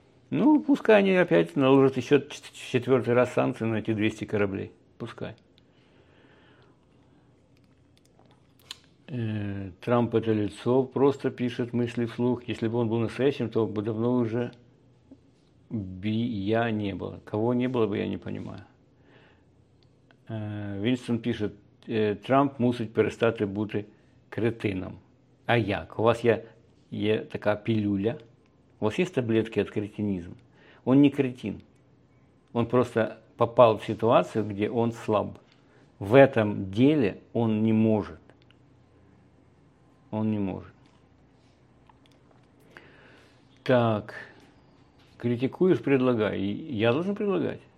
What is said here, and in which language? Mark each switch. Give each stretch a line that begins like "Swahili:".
Russian: Ну, пускай они опять наложат еще четвертый раз санкции на эти 200 кораблей. Пускай. Трамп это лицо, просто пишет мысли вслух. Если бы он был настоящим, то бы давно уже би я не было. Кого не было бы, я не понимаю.
Ukrainian: Винстон пишет, Трамп мусить перестати бути кретином. А як? У вас є така пілюля,
Russian: У вас есть таблетки от кретинизма? Он не кретин. Он просто попал в ситуацию, где он слаб. В этом деле он не может. Он не может. Так, критикуешь, предлагай. Я должен предлагать?